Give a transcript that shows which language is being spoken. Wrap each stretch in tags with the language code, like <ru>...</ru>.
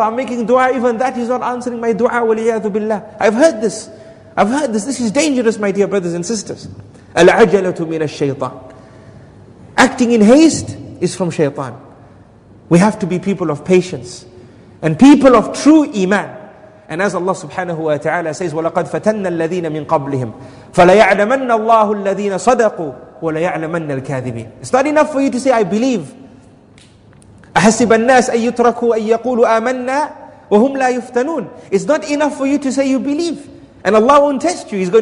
<en>I'm making dua, even that is not answering my dua. Waliyadhu billah. I've heard this. This is dangerous, my dear brothers and sisters.</en> <ar>Al-ajalatu min ash-shaytan.</ar> <en>Acting in haste is from shaytan. We have to be people of patience and people of true iman. And as Allah subhanahu wa ta'ala says,</en> <ar>وَلَقَدْ فَتَنَّ الَّذِينَ مِنْ قَبْلِهِمْ فَلَيَعْلَمَنَّ اللَّهُ الَّذِينَ صَدَقُوا وَلَيَعْلَمَنَّ الْكَاذِبِينَ.</ar> <en>It's not enough for you to say, I believe.</en> <ar>أَحَسِبَ النَّاسَ أَن يُتْرَكُوا أَن يَقُولُوا آمَنَّا وَهُمْ لَا يُفْتَنُونَ.</ar> <en>It's not enough for you to say you believe. And Allah won't test you.</en>